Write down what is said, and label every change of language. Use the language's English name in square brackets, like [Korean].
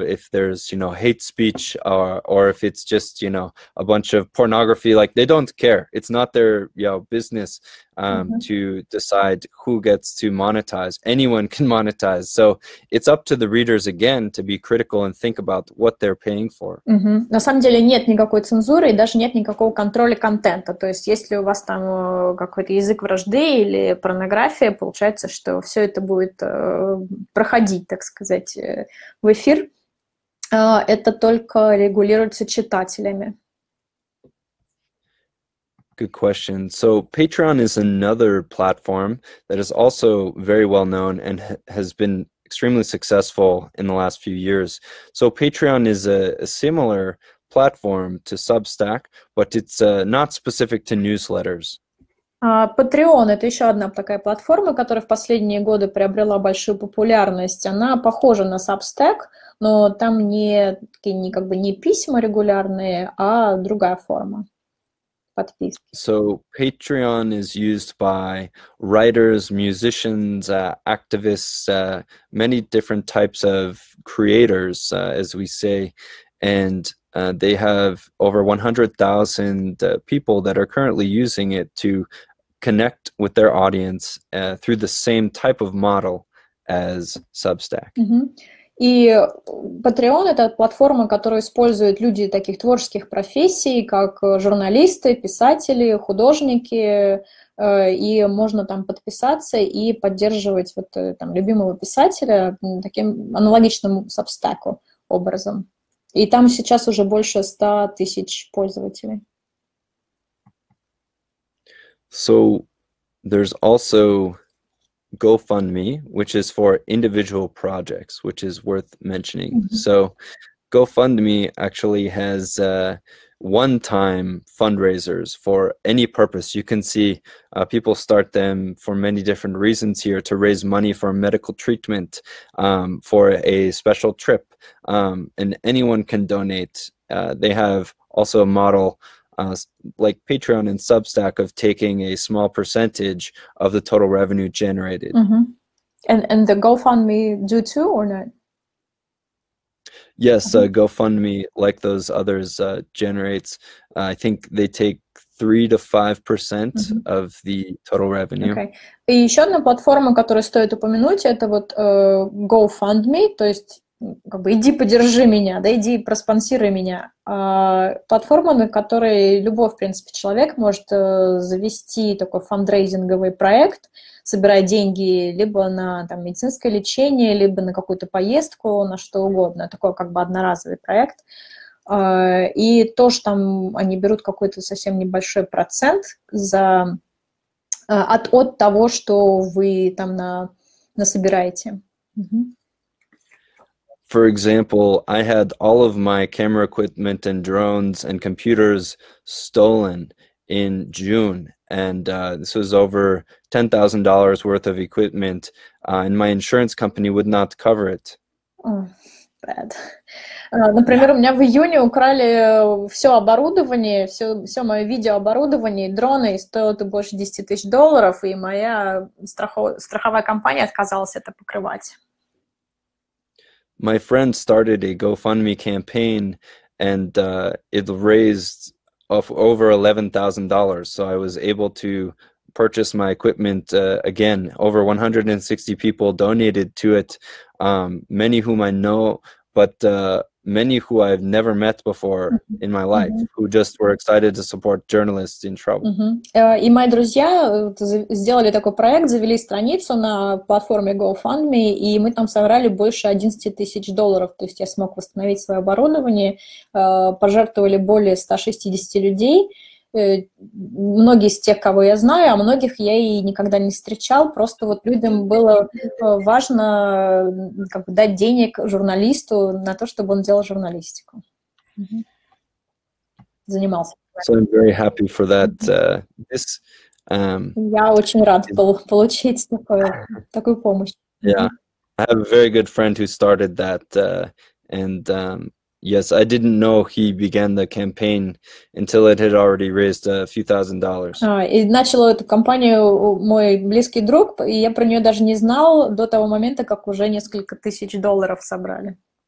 [English] If there's, you know, hate speech or if it's just, you know, a bunch of pornography, like they don't care. It's not their, you know, business to decide who gets to monetize. Anyone can monetize. So it's up to the readers again to be critical and think about what they're paying for. [Russian] На самом деле нет никакой цензуры и даже нет никакого контроля контента. То есть, если у вас там какой-то язык вражды или порнография, получается, что все это будет проходить, так сказать, в эфир. Это только регулируется читателями. [English] Good question. So Patreon is another platform that is also very well known and has been extremely successful in the last few years. So Patreon is a similar platform to Substack, but it's not specific to newsletters. [Russian] Patreon — это еще одна такая платформа, которая в последние годы приобрела большую популярность. Она похожа на Substack, но там не как бы не письма регулярные, а другая форма. [English] So Patreon is used by writers, musicians, activists, many different types of creators, as we say, and they have over 100,000 people that are currently using it to connect with their audience through the same type of model as Substack. [Russian] И Patreon — это платформа, которую используют люди таких творческих профессий, как журналисты, писатели, художники, и можно там подписаться и поддерживать вот, там, любимого писателя таким аналогичным Substack образом. И там сейчас уже больше 100 тысяч пользователей. [English] So there's also GoFundMe, which is for individual projects, which is worth mentioning. Mm-hmm. So GoFundMe actually has one-time fundraisers for any purpose. You can see people start them for many different reasons here, to raise money for a medical treatment, for a special trip, and anyone can donate. They have also a model like Patreon and Substack of taking a small percentage of the total revenue generated. Mm-hmm. And the GoFundMe do too or not? Yes, GoFundMe, like those others, generates, I think they take 3-5% mm-hmm. of the total revenue. Okay. [Russian] И еще одна платформа, которую стоит упомянуть, это вот GoFundMe, то есть как бы иди подержи меня, да, иди проспонсируй меня. Платформа, на которой любой, в принципе, человек может завести такой фандрейзинговый проект, собирая деньги либо на там, медицинское лечение, либо на какую-то поездку, на что угодно. Такой как бы одноразовый проект. И тоже там они берут какой-то совсем небольшой процент за, от того, что вы там насобираете. [English] For example, I had all of my camera equipment and drones and computers stolen in June, and this was over $10,000 worth of equipment, and my insurance company would not cover it. Oh, bad. [Russian] Например, у меня в июне украли все оборудование, все мое видеооборудование, дроны, и стоило это больше $10,000, и моя страховая компания отказалась это покрывать. [English] My friend started a GoFundMe campaign, and it raised over $11,000, so I was able to purchase my equipment again. Over 160 people donated to it, many whom I know, but many who I've never met before in my life, mm-hmm. who just were excited to support journalists in trouble. Mm-hmm. [Russian] И мои друзья сделали такой проект, завели страницу на платформе GoFundMe, и мы там собрали больше $11,000. То есть я смог восстановить свое оборудование, пожертвовали более 160 людей, многие из тех, кого я знаю, а многих я и никогда не встречал. Просто вот людям было важно как бы дать денег журналисту на то, чтобы он делал журналистику. Угу. Занимался. [English] So I'm very happy for that. This, [Russian] я очень рад был получить такую помощь. [English] Yeah. I have a very good friend who started that, and Yes, I didn't know he began the campaign until it had already raised a few thousand dollars. [Russian] И начал эту кампанию мой близкий друг, и я про нее даже не знал до того момента, как уже несколько тысяч долларов собрали.